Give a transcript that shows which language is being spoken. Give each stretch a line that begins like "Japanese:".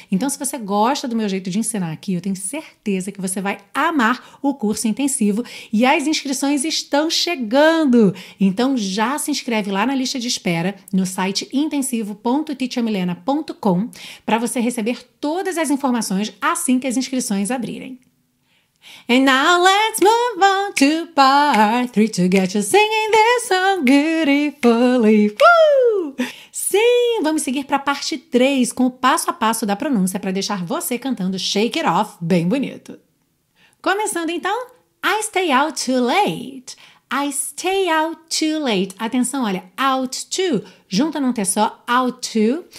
Portuguese: Então, se você gosta do meu jeito de ensinar aqui, eu tenho certeza que você vai amar o curso intensivo e as inscrições estão chegando. Então já se inscreve lá na lista de espera no site intensivo.teachermilena.com para você receber todas as informações assim que as inscrições abrirem.
English: And now let's move on to part 3 to get you singing this song beautifully. Woo!
Portuguese: Sim, vamos seguir para a parte 3 com o passo a passo da pronúncia para deixar você cantando Shake It Off bem bonito. Começando então,
English: I stay out too late. I stay out too late.
Portuguese: Atenção, olha, out to. Junta num T só, out to.